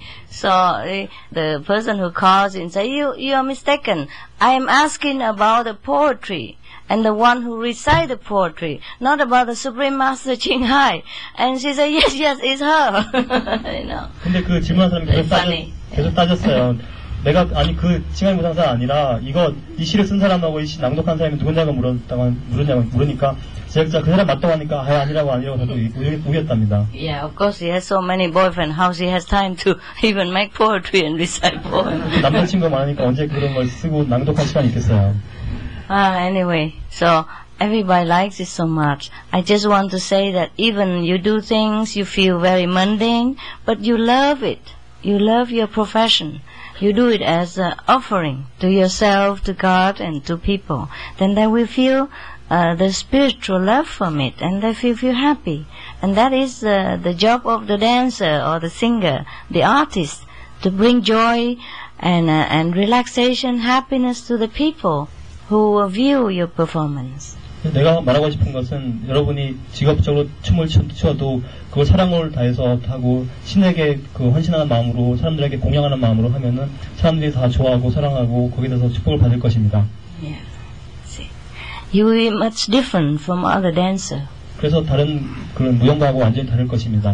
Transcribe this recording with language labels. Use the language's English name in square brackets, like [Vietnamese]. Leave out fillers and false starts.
[English] So the person who calls and say, you are mistaken. I am asking about the poetry and the one who recite the poetry, not about the Supreme Master Ching Hai. And she said, yes, it's her. You know. [Korean] 근데 그 질문한 사람이 계속 따졌어요. 내가 아니 그 칭하이 무상사 아니라 이거 이 시를 쓴 사람하고 이 시 낭독한 사람이 누군지가 물으니까 제작자 그 사람 맞다고 하니까 아니라고 저도 우겼답니다. [English] Yeah, of course she has so many boyfriends. How she has time to even make poetry and recite poems? [Korean] 남자친구 많으니까 언제 그런 걸 쓰고 낭독할 시간이 있겠어요. [English] Anyway, so everybody likes it so much. I just want to say that even you do things, you feel very mundane, but you love it. You love your profession. You do it as an offering to yourself, to God, and to people. Then they will feel the spiritual love from it, and they feel happy. And that is the job of the dancer or the singer, the artist, to bring joy and relaxation, happiness to the people who view your performance. [Korean] 내가 말하고 싶은 것은 여러분이 직업적으로 춤을 추어도 그걸 사랑을 다해서 하고 신에게 그 헌신하는 마음으로 사람들에게 공양하는 마음으로 하면은 사람들이 다 좋아하고 사랑하고 거기에 대해서 축복을 받을 것입니다. [English] Yeah. See. You will be much different from other dancers. [Korean] 그래서 다른 그런 무용과하고 완전히 다를 것입니다.